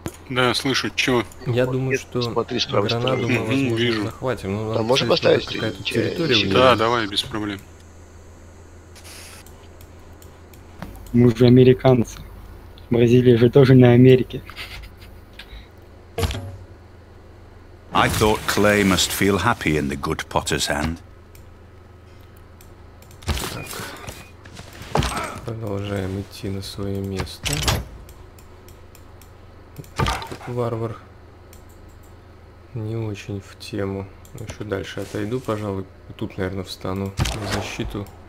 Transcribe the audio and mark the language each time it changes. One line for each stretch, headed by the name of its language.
Russian: Да, слышу. Чего? Я думаю, что смотри, справа, гранату справа. Мы, возможно, вижу. Захватим. Ну, а можешь поставить какая-то территория? Да, давай, без проблем. Мы же американцы. Бразилия же тоже на Америке.
English: I thought clay must feel happy in the good potter's hand.
Russian: Так. Продолжаем идти на свое место. Тут варвар не очень в тему. Еще дальше отойду, пожалуй. Тут, наверное, встану на защиту.